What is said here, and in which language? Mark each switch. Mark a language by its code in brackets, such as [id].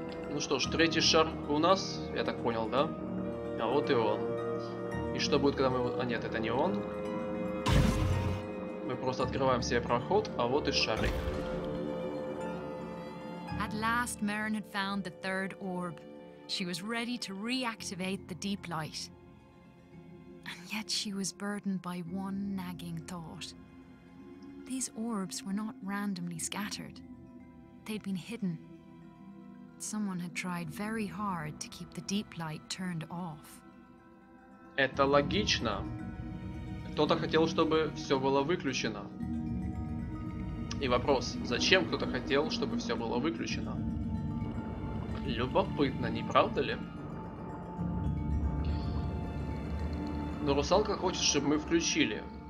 [ru] Ну что ж, третий шар у нас. Я так понял, да? А вот и он. И что будет, когда мы... А нет, это не он. Мы просто открываем себе проход, а вот и шарик. [en] At last, Merin had found the third orb. She was ready to reactivate the deep light. And yet she was burdened by one nagging thought. These orbs were not randomly scattered. They'd been hidden. Someone had tried very hard to keep the deep light turned off. [ru] Это логично. Кто-то хотел, чтобы все было выключено. И вопрос, зачем кто-то хотел, чтобы все было выключено? Любопытно, не правда ли? Но русалка хочет, чтобы мы включили.